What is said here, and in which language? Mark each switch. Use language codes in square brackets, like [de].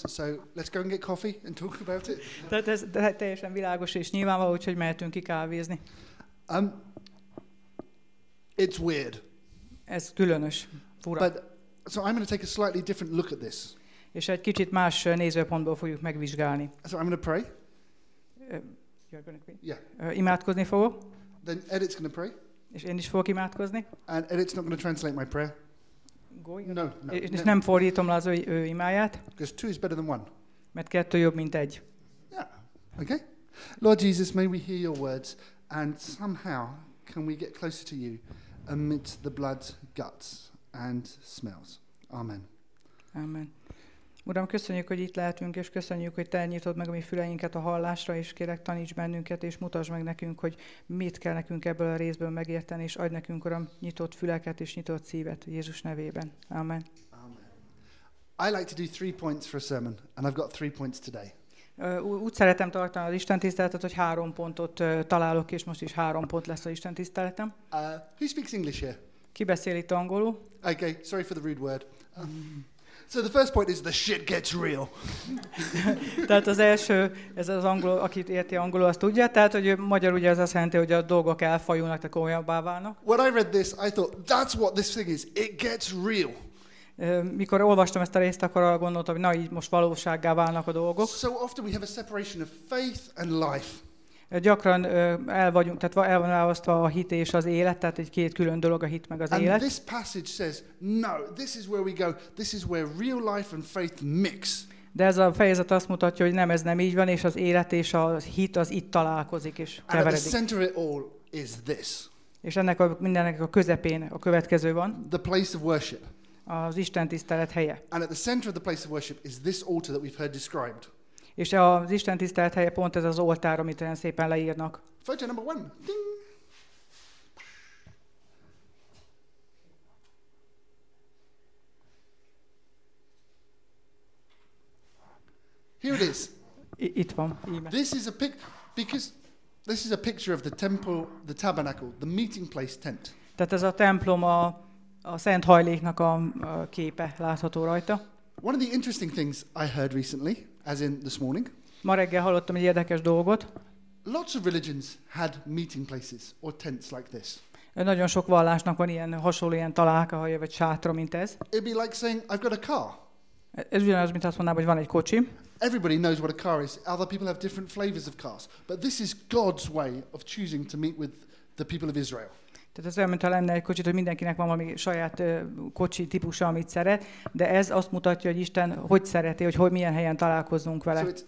[en] So let's go and get coffee and talk about it. [hu] Tehát ez teljesen világos és nyilvánvaló, úgyhogy mehetünk ki kávézni. [en] It's weird. [hu] Ez különös, fura. [en] But so I'm going to take a slightly different look at this. [hu] És egy kicsit más nézőpontból fogjuk megvizsgálni. [en] So I'm going to pray. You're going to pray? Yeah. [hu] Imádkozni fogok. [en] Then Edit's going to pray. [hu] És én is fogok imádkozni. [en] And Edit's not going to translate my prayer. [hu] És nem fordítom le az ő imáját. [en] Because two is better than one. [hu] Mert kettő jobb, mint egy. [en] Yeah. Okay. Lord Jesus, may we hear your words and somehow can we get closer to you amidst the blood, guts and smells. Amen. Amen. [hu] Uram, köszönjük, hogy itt lehetünk, és köszönjük, hogy te nyitod meg a mi füleinket a hallásra, és kérek, taníts bennünket, és mutasd meg nekünk, hogy mit kell nekünk ebből a részből megérteni, és adj nekünk, Uram, nyitott füleket és nyitott szívet Jézus nevében. Amen. [en] Amen. I like to do 3 points for a sermon, and I've got 3 points today. [hu] Úgy szeretem tartani az Isten tiszteletet, hogy 3 pontot találok, és most is 3 pont lesz az Isten tiszteletem. [en] Who speaks English here? [hu] Ki beszél itt angolul? [en] Okay, sorry for the rude word. So the first point is the shit gets real. [hu] Tehát az első, ez az angol, akit érti angolul, azt tudja, tehát hogy magyar ugye az azt jelenti, hogy a dolgok elfajulnak, tehát komolyabbá válnak. [en] When I read this, I thought that's what this thing is. It gets real. [hu] Mikor olvastam ezt a részt, akkor arra gondoltam, hogy na így most valósággá válnak a dolgok. [en] So often we have a separation of faith and life. [hu] Gyakran el vagyunk, tehát el van választva a hit és az élet, tehát egy két külön dolog a hit meg az élet. [en] And this passage says, no, this is where we go, this is where real life and faith mix. [hu] De ez a fejezet azt mutatja, hogy nem, ez nem így van, és az élet és a hit az itt találkozik és keveredik. [en] And at the center of it all is this. [hu] És ennek a mindennek a közepén a következő van. [en] The place of worship. [hu] Az Isten tisztelet helye. [en] And at the center of the place of worship is this altar that we've heard described. [hu] És az Isten tisztelet helye pont ez az oltár, amit olyan szépen leírnak. [en] Photo number one. Ding. Here it is. [hu] Itt van. [en] This is a pic because this is a picture of the temple, the tabernacle, the meeting place tent. [hu] Tehát ez a templom a szent hajléknak a képe látható rajta. [en] One of the interesting things I heard recently, as in this morning. [hu] Ma reggel hallottam egy érdekes dolgot. [en] Lots of religions had meeting places or tents like this. [hu] Nagyon sok vallásnak van ilyen hasonló ilyen találkahelye vagy sátra, mint ez. [en] It'd be like saying I've got a car. [hu] Ez ugyanaz, mint azt mondanám, hogy van egy kocsim. [en] Everybody knows what a car is. Other people have different flavors of cars, but this is God's way of choosing to meet with the people of Israel. [hu] Tehát ez olyan, mintha lenne egy kocsit, hogy mindenkinek van valami saját kocsi típusa, amit szeret, de ez azt mutatja, hogy Isten hogy szereti, hogy milyen helyen találkozzunk vele.